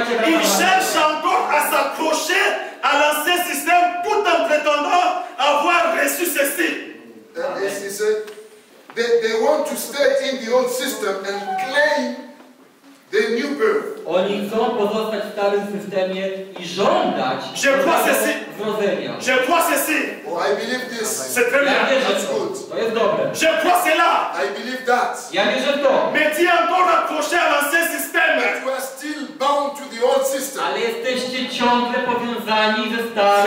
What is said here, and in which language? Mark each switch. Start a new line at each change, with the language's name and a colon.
French: Ils cherchent encore à s'accrocher à l'ancien système tout en prétendant avoir reçu ceci.
English: They want to stay in the old system and claim the new birth.
Polish: Oni chcą pozostać w starym systemie i żądać zrodzenia.
French: Je crois ceci.
English: Oh, I believe this.
French: C'est très bien.
Polish: Ja wierzę
English: That's
Polish: to.
English: Good.
Polish: To jest dobre.
French: Je crois cela.
English: I believe that.
Polish: Ja wierzę w to.
French: Mais tu es encore accroché à l'ancien système.
English: But we are still bound to the old system.
Polish: Ale jesteście ciągle powiązani ze starym.